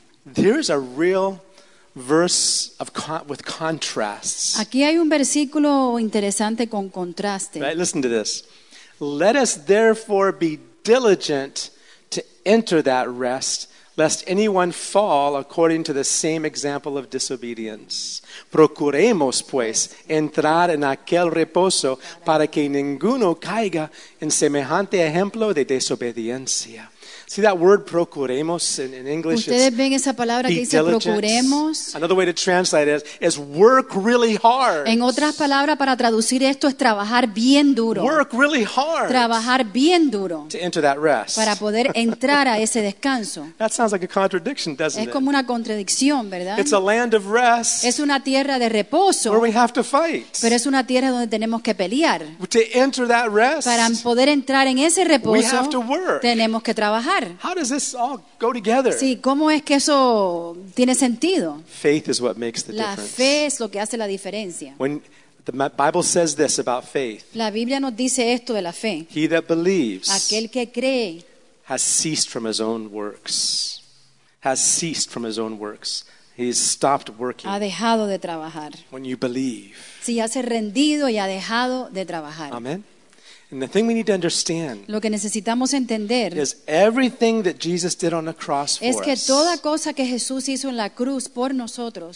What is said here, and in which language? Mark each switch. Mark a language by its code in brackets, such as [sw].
[en] There is a real verse of with contrasts. [es] Aquí hay un versículo interesante con contraste. [en] Right, listen to this. Let us therefore be diligent to enter that rest, lest anyone fall according to the same example of disobedience. [es] Procuremos, pues, entrar en aquel reposo para que ninguno caiga en semejante ejemplo de desobediencia. [en] See that word procuremos in English? [es] ¿Ustedes ven esa palabra que dice procuremos? [en] Another way to translate it is work really hard. [es] En otras palabras, para traducir esto es trabajar bien duro. [en] Work really hard. [es] Trabajar bien duro. [en] To enter that rest. [es] Para poder entrar a ese descanso. [en] That sounds like a contradiction, doesn't it? [es] Es como una contradicción, ¿verdad? [en] It's a land of rest. [es] Es una tierra de reposo. [en] Where we have to fight. [es] Pero es una tierra donde tenemos que pelear. [en] To enter that rest. [es] Para poder entrar en ese reposo. [en] We have to work. [es] Tenemos que trabajar. [en] How does this all go together? [es] Sí, ¿cómo es que eso tiene sentido? [en] Faith is what makes the difference. [es] La fe es lo que hace la diferencia. [en] When the Bible says this about faith. [es] La Biblia nos dice esto de la fe. [en] He that believes. [es] Aquel que cree. [en] Has ceased from his own works. Has ceased from his own works. He's stopped working. [es] Ha dejado de trabajar. [en] When you believe. [es] Sí, ya se ha rendido y ha dejado de trabajar. [en] Amen. And the thing we need to understand [es] lo que necesitamos entender [en] is everything that Jesus did on the cross for [es] es que toda cosa que Jesús hizo en la cruz por nosotros